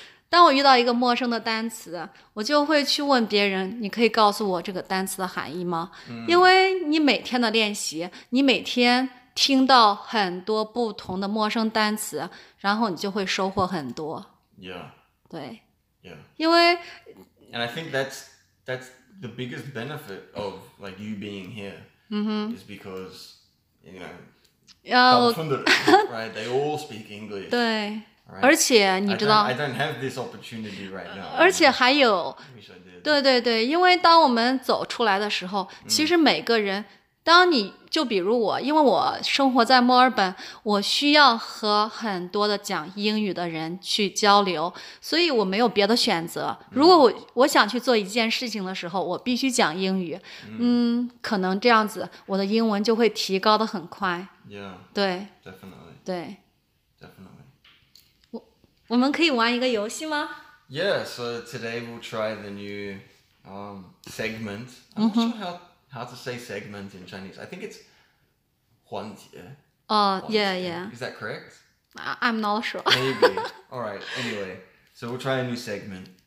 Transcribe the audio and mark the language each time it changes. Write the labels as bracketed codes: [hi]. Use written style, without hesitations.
[zh] 当我遇到一个陌生的单词, 我就会去问别人, 你可以告诉我这个单词的含义吗? 因为你每天的练习, 你每天听到很多不同的陌生单词, 然后你就会收获很多。 [en] Yeah. [zh] 对。 [en] Yeah. [zh] 因为, [en] and I think that's the biggest benefit of like you being here, is because, you know, right? They all speak English. [zh] 对。 [en] Right. [zh] 而且你知道, [en] I don't have this opportunity right now. [zh] 而且还有, 对对对, 因为当我们走出来的时候, 其实每个人, 当你就比如我, 因为我生活在墨尔本, 我需要和很多的讲英语的人去交流, 所以我没有别的选择, 如果我想去做一件事情的时候, 我必须讲英语, 可能这样子, 我的英文就会提高得很快。 [en] Yeah, [zh] 对, [en] definitely. [zh] 对, [en] definitely. [zh] 我们可以玩一个游戏吗? [en] Yeah, so today we'll try the new segment. I'm not sure how to say segment in Chinese. I think it's 环节. Oh, yeah, yeah. Is that correct? I'm not sure. Maybe. All right, anyway. So we'll try a new segment.